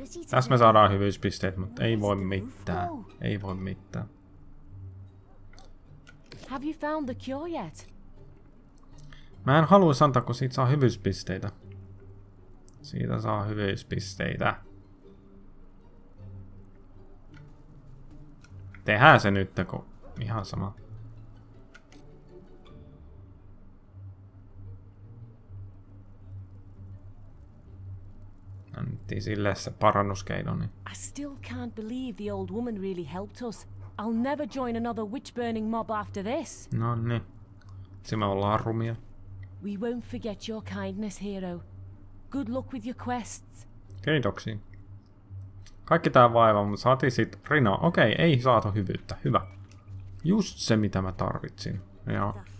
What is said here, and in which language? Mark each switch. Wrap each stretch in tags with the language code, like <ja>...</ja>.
<fi>Tässä me saadaan hyvyyspisteet, mutta ei voi mitään. Ei voi mitään.</fi> <en>Have you found the cure yet?</en> <fi>Mä en haluaisi antaa, kun siitä saa hyvyyspisteitä. Siitä saa hyvyyspisteitä. Tehdään se nyt, kun ihan sama. Annettiin sille se parannuskeino, niin.</fi> <en>I still can't believe the old woman really helped us. I'll never join another witch-burning mob after this.</en> <fi>No niin. Se me ollaan rumia.</fi> <en>We won't forget your kindness, hero. Good luck with your quests.</en> <fi>Kiitoksia. Kaikki tää vaiva, mutta saati sit rinaa. Okei, ei saatu hyvyyttä. Hyvä. Just se, mitä mä tarvitsin. Joo.</fi>